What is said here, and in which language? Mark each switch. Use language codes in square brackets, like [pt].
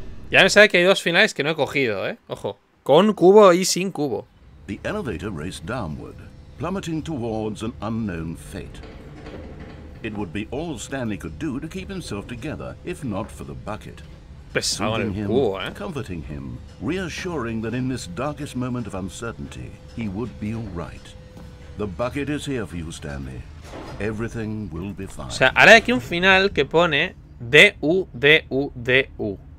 [es] Ya me sabe que hay dos finales que no he cogido, ¿eh? Ojo. Con cubo y sin cubo. [en] The elevator raced downward, plummeting towards an unknown fate. It would be all Stanley could do to keep himself together, if not for the bucket. Soothing him, comforting him, reassuring that in this darkest moment of uncertainty, he would be all right. The bucket is here for you, Stanley. Everything will be fine. [es] O sea, ahora hay aquí un final que pone D-U-D-U-D-U.